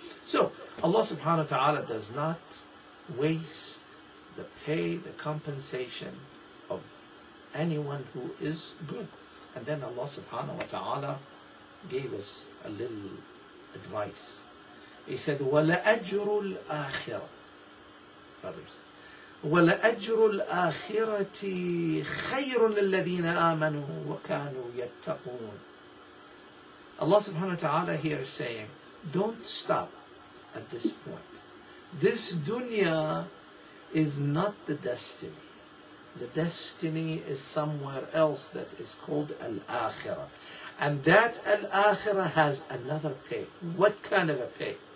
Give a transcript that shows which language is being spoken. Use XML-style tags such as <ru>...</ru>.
<en>So Allah subhanahu wa ta'ala does not waste the pay, the compensation of anyone who is good. And then Allah subhanahu wa ta'ala gave us a little advice. He said,</en> <ar>وَلَأَجْرُ الْآخِرَةِ.</ar> <en>Brothers,</en> <ar>وَلَأَجْرُ الْآخِرَةِ خَيْرٌ لِلَّذِينَ آمَنُوا وَكَانُوا يَتَّقُونَ.</ar> <en>Allah subhanahu wa ta'ala here is saying, don't stop at this point. This dunya is not the destiny. The destiny is somewhere else that is called al-akhirah. And that al-akhirah has another pay. What kind of a pay?</en>